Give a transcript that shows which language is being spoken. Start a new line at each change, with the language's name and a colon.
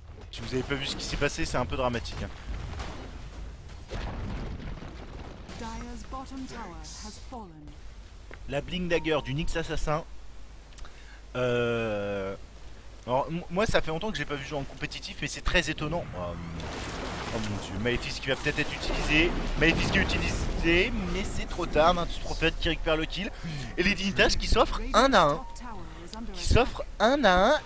French: Si vous avez pas vu ce qui s'est passé, c'est un peu dramatique.
English: Dire's bottom tower has fallen.
French: la Bling Dagger du Nyx Assassin. Alors moi ça fait longtemps que j'ai pas vu jouer en compétitif, mais c'est très étonnant. Oh mon dieu, Maléfice qui va peut-être être utilisé. Maléfice qui est utilisé, mais c'est trop tard, un petit prophète qui récupère le kill. Et les Dignitas qui s'offrent 1-1. Qui s'offrent 1-1.